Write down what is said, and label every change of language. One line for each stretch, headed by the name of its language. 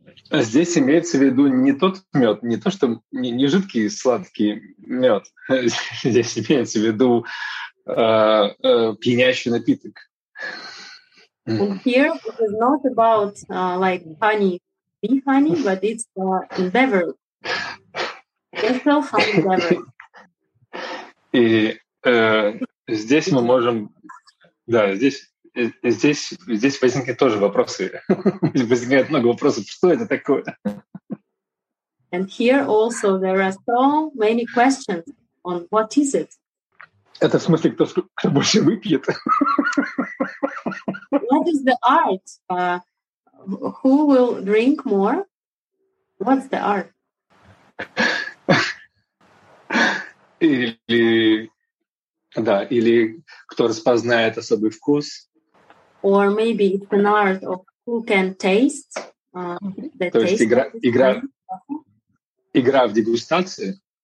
Russian: Здесь имеется в виду не тот мед, не то, что не жидкий сладкий мед. Здесь имеется в виду пьянящий напиток.
English: And here it is not about like honey, bee honey, but it's beverage. It's still honey beverage.
Russian: И здесь мы можем, да, здесь возникают тоже вопросы, возникает много вопросов, что это такое?
English: And here also there are so many questions on what is it?
Russian: Это в смысле кто больше выпьет?
English: What is the art? Who will drink more? What's the art?
Russian: Или, да, или кто распознает особый вкус.
English: Or maybe it's an art of who can taste.
Russian: То есть игра в дегустации.